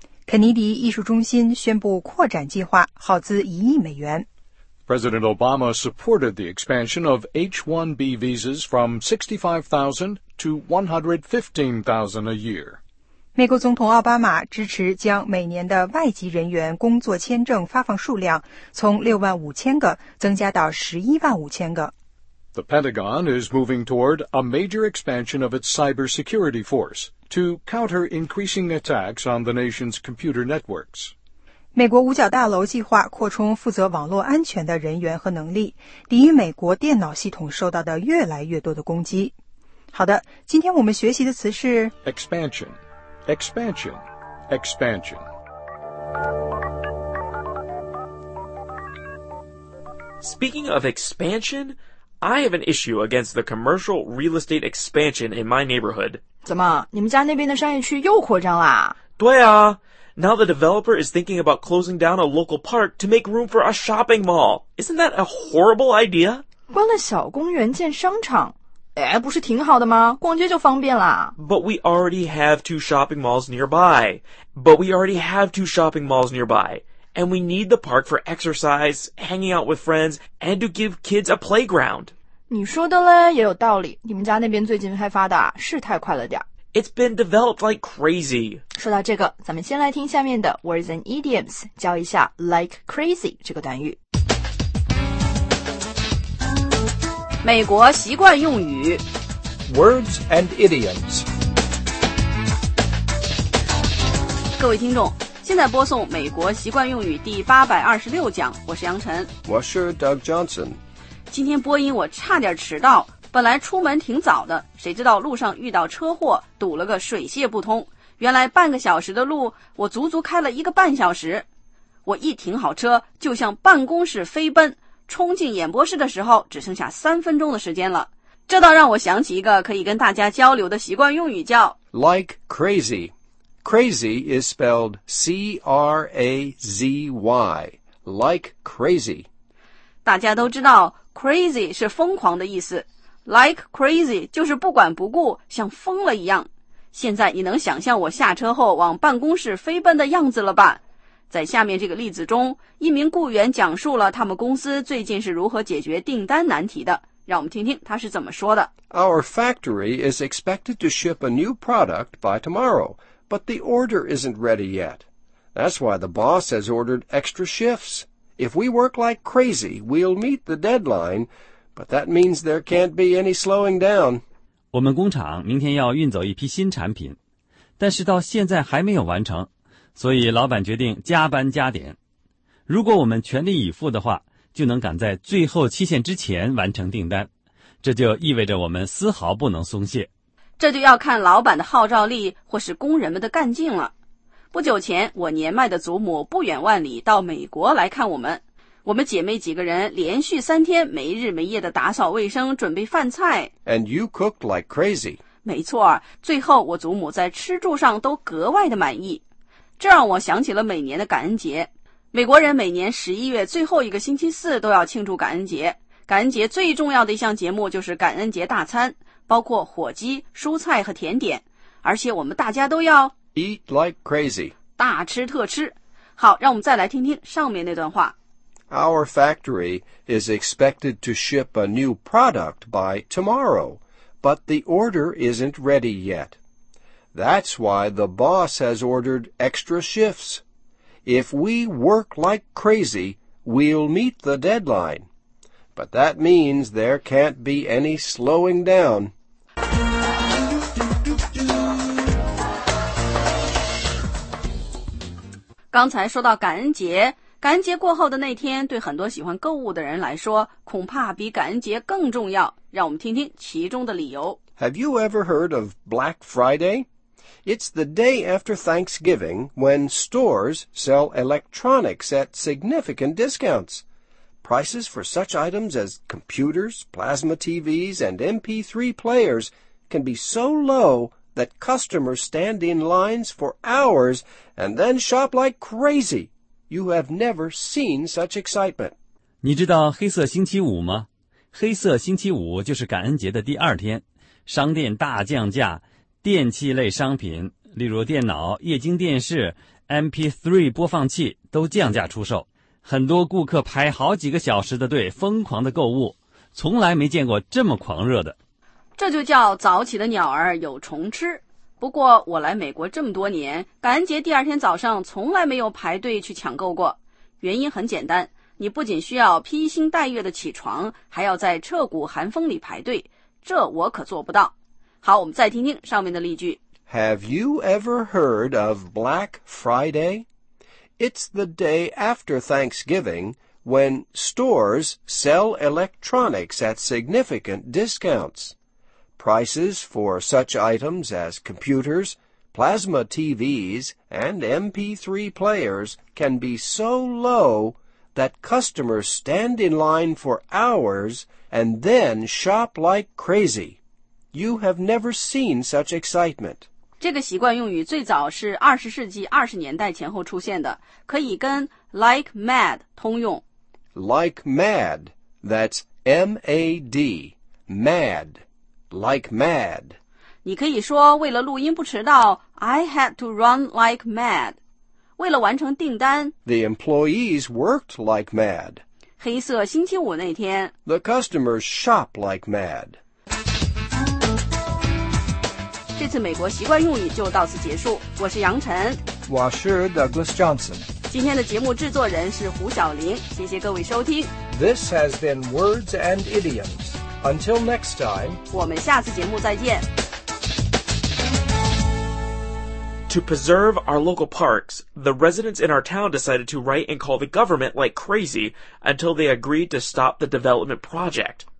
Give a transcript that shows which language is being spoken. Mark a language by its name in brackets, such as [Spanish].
[Chinese] 肯尼迪艺术中心宣布扩展计划，耗资一亿美元。 [English] President Obama supported the expansion of H-1B visas from 65,000 to 115,000 a year. [Chinese] 美国总统奥巴马支持将每年的外籍人员工作签证发放数量从65,000个增加到115,000个。 [English] The Pentagon is moving toward a major expansion of its cybersecurity force to counter increasing attacks on the nation's computer networks. [Chinese] 美国五角大楼计划扩充负责网络安全的人员和能力，抵御美国电脑系统受到的越来越多的攻击。好的，今天我们学习的词是 [English] expansion, expansion, expansion. Speaking of expansion,I have an issue against the commercial real estate expansion in my neighborhood. [Chinese] 怎么，你们家那边的商业区又扩张啦？对啊。 [English] Now the developer is thinking about closing down a local park to make room for a shopping mall. Isn't that a horrible idea? [Chinese] 关了小公园建商场，哎，不是挺好的吗？逛街就方便啦。 [English] But we already have two shopping malls nearby. But we already have two shopping malls nearby. And we need the park for exercise, hanging out with friends, and to give kids a playground. [Chinese] 你说的嘞也有道理，你们家那边最近开发的是太快了点。 [English] It's been developed like crazy. [Chinese] 说到这个，咱们先来听下面的 words and idioms, 教一下 like crazy 这个短语。美国习惯用语 [English] Words and idioms. [Chinese] 各位听众现在播送美国习惯用语第826讲，我是杨晨。我是 Doug Johnson。今天播音我差点迟到，本来出门挺早的，谁知道路上遇到车祸，堵了个水泄不通。原来半个小时的路，我足足开了一个半小时。我一停好车，就向办公室飞奔，冲进演播室的时候，只剩下3分钟的时间了。这倒让我想起一个可以跟大家交流的习惯用语，叫 [English] Like crazy。 Crazy is spelled C-R-A-Z-Y, like crazy. [Chinese] 大家都知道 crazy 是疯狂的意思 ,like crazy 就是不管不顾像疯了一样。现在你能想象我下车后往办公室飞奔的样子了吧？在下面这个例子中，一名雇员讲述了他们公司最近是如何解决订单难题的。让我们听听他是怎么说的。 [English] Our factory is expected to ship a new product by tomorrow. But the order isn't ready yet. That's why the boss has ordered extra shifts. If we work like crazy, we'll meet the deadline, but that means there can't be any slowing down. [Chinese] 我们工厂明天要运走一批新产品，但是到现在还没有完成，所以老板决定加班加点。如果我们全力以赴的话，就能赶在最后期限之前完成订单，这就意味着我们丝毫不能松懈。这就要看老板的号召力或是工人们的干劲了。不久前，我年迈的祖母不远万里到美国来看我们。我们姐妹几个人连续3天没日没夜的打扫卫生，准备饭菜。 [English] And you cooked like crazy. [Chinese] 没错，最后我祖母在吃住上都格外的满意。这让我想起了每年的感恩节。美国人每年11月最后一个星期四都要庆祝感恩节。感恩节最重要的一项节目就是感恩节大餐，包括火鸡、蔬菜和甜点，而且我们大家都要 [English] Eat like crazy， [Chinese] 大吃特吃。好，让我们再来听听上面那段话。 [English] Our factory is expected to ship a new product by tomorrow, but the order isn't ready yet. That's why the boss has ordered extra shifts. If we work like crazy, we'll meet the deadline. But that means there can't be any slowing down. [Chinese] 刚才说到感恩节，感恩节过后的那天对很多喜欢购物的人来说恐怕比感恩节更重要，让我们听听其中的理由。 [English] Have you ever heard of Black Friday? It's the day after Thanksgiving when stores sell electronics at significant discounts. Prices for such items as computers, plasma TVs, and MP3 players can be so low that customers stand in lines for hours and then shop like crazy. You have never seen such excitement. [Chinese] 你知道黑色星期五吗？黑色星期五就是感恩节的第二天，商店大降价，电器类商品，例如电脑、液晶电视、MP3 播放器都降价出售。很多顾客排好几个小时的队，疯狂的购物，从来没见过这么狂热的。这就叫早起的鸟儿有虫吃。不过我来美国这么多年，感恩节第二天早上从来没有排队去抢购过。原因很简单，你不仅需要披星戴月的起床，还要在彻骨寒风里排队，这我可做不到。好，我们再听听上面的例句。 [English] Have you ever heard of Black Friday? It's the day after Thanksgiving when stores sell electronics at significant discounts. Prices for such items as computers, plasma TVs, and MP3 players can be so low that customers stand in line for hours and then shop like crazy. You have never seen such excitement. [Chinese] 这个习惯用语最早是20世纪20年代前后出现的，可以跟 like mad 通用。 [English] Like mad, that's M-A-D, mad, like mad. [Chinese] 你可以说为了录音不迟到， [English] I had to run like mad. [Chinese] 为了完成订单， [English] The employees worked like mad. [Chinese] 黑色星期五那天， [English] The customers shop like mad. [Chinese] 这次美国习惯用语就到此结束，我是杨晨，我是 Douglas Johnson，今天的节目制作人是胡晓玲，谢谢各位收听。 [English] This has been Words and Idioms. Until next time， [Chinese] 我们下次节目再见。 [English] To preserve our local parks, the residents in our town decided to write and call the government like crazy until they agreed to stop the development project.